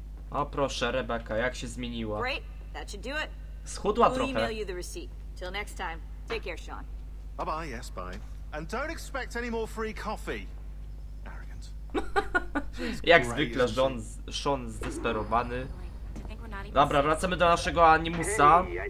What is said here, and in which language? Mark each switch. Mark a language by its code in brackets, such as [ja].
[pl] O proszę, Rebecca, jak się zmieniła. [en] Great, that should do it. [pl] Schudła trochę. [en] We'll email you the receipt. Till next time, take care, Sean. Bye bye, yes, bye. And don't expect any more free coffee. Arrogant. [pl] Jak zwykle, Sean zdesperowany. Dobra, wracamy do naszego animusa.